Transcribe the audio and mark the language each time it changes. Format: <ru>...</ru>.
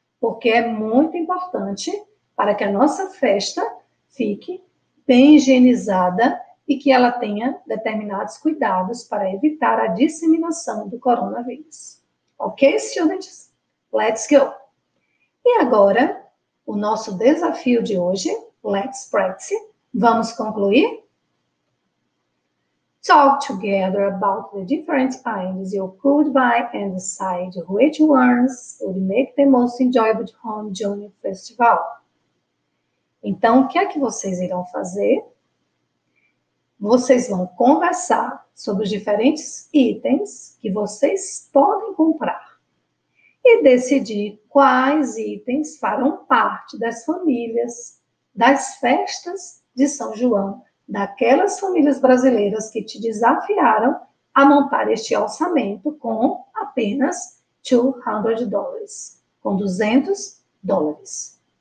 <pt>Porque é muito importante para que a nossa festa fique bem higienizada e que ela tenha determinados cuidados para evitar a disseminação do coronavírus.</pt> <en>Ok, students? Let's go!</en> <pt>E agora, o nosso desafio de hoje,</pt> <en>let's practice,</en> <pt>vamos concluir?</pt> <en>Talk together about the different items you could buy and decide which ones would make the most enjoyable home junior festival.</en> <pt>Então, o que é que vocês irão fazer? Vocês vão conversar sobre os diferentes itens que vocês podem comprar. e decidir quais itens farão parte das famílias, das festas de São João, daquelas famílias brasileiras que te desafiaram a montar este orçamento com apenas $200, com $200.</pt>